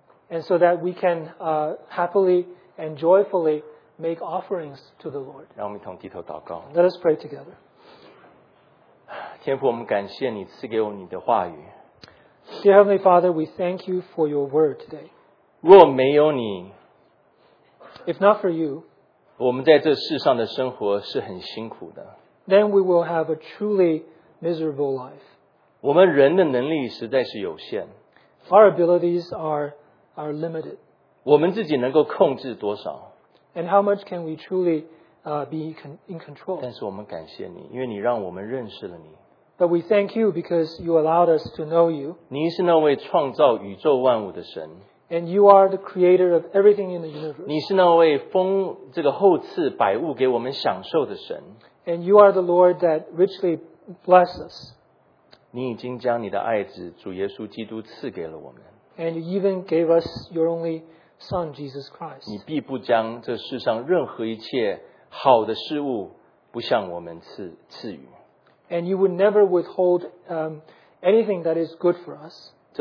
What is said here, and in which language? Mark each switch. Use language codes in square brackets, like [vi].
[en] And so that we can happily and joyfully make offerings to the Lord. Let us pray together. [zh] 天父，我们感谢你赐给我们你的话语。 [en] Dear Heavenly Father, we thank you for your word today. [zh] 若没有你, [en] if not for you, [zh] 我们在这世上的生活是很辛苦的, [en] then we will have a truly miserable life. [zh] 我们人的能力实在是有限, [en] our abilities are limited. [zh] 我们自己能够控制多少, [en] and how much can we truly be in control? [zh] 但是我们感谢你, 因为你让我们认识了你。 [en] But we thank you because you allowed us to know you. [zh] 你是那位创造宇宙万物的神。 [en] And you are the creator of everything in the universe. [zh] 你是那位丰这个厚赐百物给我们享受的神。 [en] And you are the Lord that richly blesses us. [zh] 你已经将你的爱子主耶稣基督赐给了我们。 [en] And you even gave us your only Son, Jesus Christ. [zh] 你必不将这世上任何一切好的事物不向我们赐予。 [en] And you would never withhold anything that is good for us.